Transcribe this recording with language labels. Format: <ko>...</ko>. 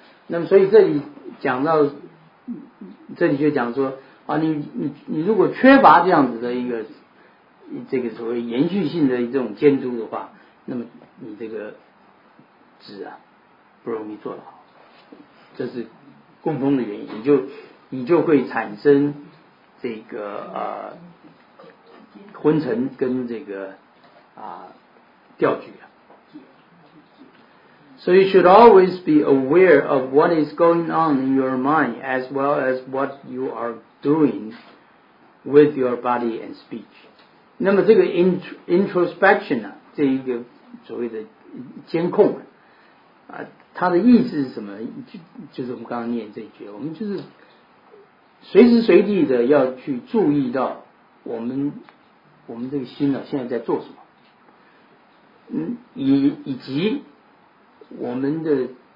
<zh>那么所以这里就讲说啊，你如果缺乏这样子的一个这个所谓延续性的这种监督的话，那么你这个止啊不容易做得好，这是共通的原因，你就会产生这个昏沉跟这个掉举。</zh> <en>So you should always be aware of what is going on in your mind as well as what you are doing with your body and speech.</en> <zh>那么这个 introspection 啊，这一个所谓的监控啊，它的意思是什么？就是我们刚刚念这一句，我们就是随时随地的要去注意到我们这个心呢、啊、现在在做什么，以及我们的</zh>